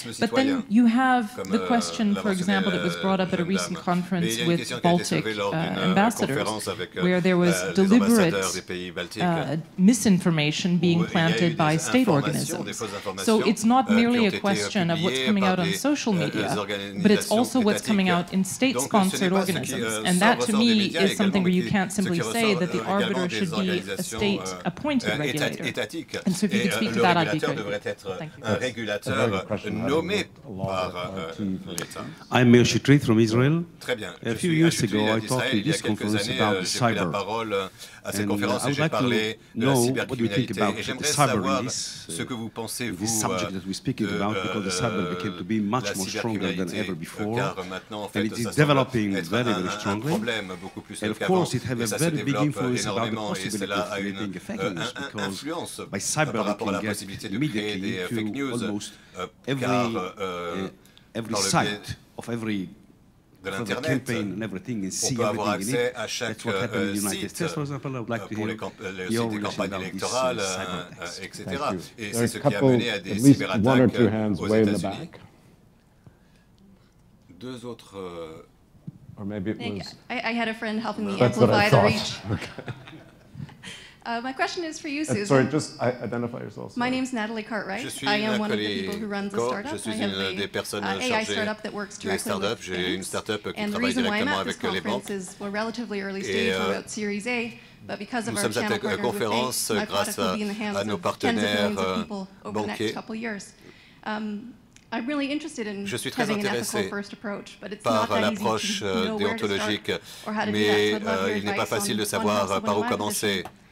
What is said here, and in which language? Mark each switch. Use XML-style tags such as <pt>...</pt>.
<en>But then you have the question, for example, that was brought up at a recent conference with Baltic ambassadors, where there was deliberate misinformation being planted by state organisms. So it's not merely a question of what's coming out on social media, but it's also what's coming out in state-sponsored organisms. And that, to me, is something where you can't simply say that the arbiter should be a state</en> <fr>étatique. Et le régulateur devrait être un régulateur nommé par l'État.</fr> <en>I'm Meir Shitrit from Israel.</en> <fr>Très bien.</fr> <en>A few years ago, I talked to this conference about cyber.</en> <fr>J'ai pris la parole à cette conférence et j'ai parlé de la cybercriminalité. Et j'aimerais savoir ce que vous pensez, vous, de la cybercriminalité, car maintenant, en fait, ça semble être un problème beaucoup plus que avant. Et ça se développe énormément et cela a une</fr> <en>being a fake news because influence by cyber</en> <fr>par rapport à la possibilité de créer des fake news</fr> <en>almost every site of every</en> <fr>de l'internet, on peut avoir accès à chaque site pour les campagnes électorales, etc. Et c'est ce qui a mené à des cyberattaques aux États-Unis. Deux autres.</fr> <en>Or maybe it was. I had a friend helping me amplify the reach. My question is for you, Susan. Sorry, just identify yourself. My name is Natalie Cartwright. I am one of the people who runs the startup.</en> <fr>Je suis une des personnes chargées startups. J'ai une startup qui travaille directement avec les banques.</fr> <en>We're relatively early stage about Series A, but because of our channel partners, my product will be in the hands of tens of millions of people over the next couple years. I'm really interested in having an ethical first approach, but it's not that easy to know where to start or how to do that.</en> <fr>Il n'est pas facile de savoir par où commencer.</fr>